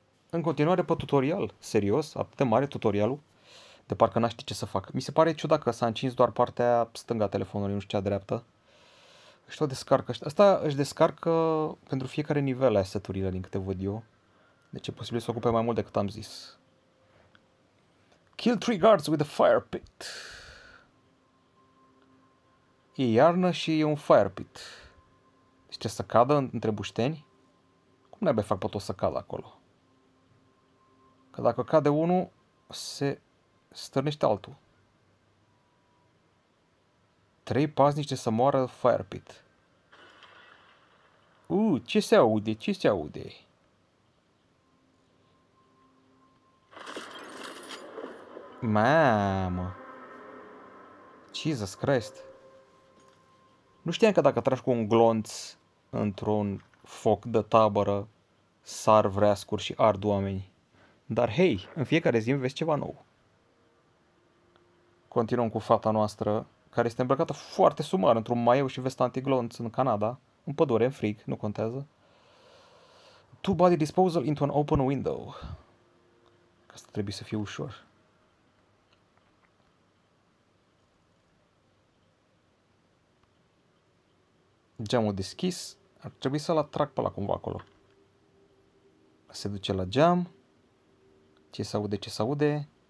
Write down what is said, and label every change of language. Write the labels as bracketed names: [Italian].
[Romanian] În continuare pe tutorial. Serios? Atât de mare tutorialul? De parcă n-aș ști ce să fac. Mi se pare ciudat că s-a încins doar partea stânga a telefonului, nu știu cea dreaptă. Și tot descarcă. Asta își descarcă pentru fiecare nivel a seturile, din câte văd eu. Deci e posibil să ocupe mai mult decât am zis. [English] Kill three guards with a fire pit. [Romanian] E iarnă și e un fire pit. Deci trebuie să cadă între bușteni? Cum ne-ai fac pe tot să cadă acolo? Că dacă cade unul, se stârnește altul. Trei paznici de să moară fire pit. Ce se aude? Ce se aude? Mamă! [English] Jesus Christ! [Romanian] Nu știam că dacă tragi cu un glonț într-un foc de tabără, sar vreascuri și ard oameni. Dar hei, în fiecare zi vezi ceva nou. Continuăm cu fata noastră, care este îmbrăcată foarte sumar într-un maieu și vestă antiglonț în Canada, în pădure, în frig, nu contează. [English] Two body disposal into an open window. [Romanian] Asta trebuie să fie ușor. Geamul deschis, ar trebui să-l atrag pe ăla cumva acolo. Se duce la geam. Ce se aude, ce se aude?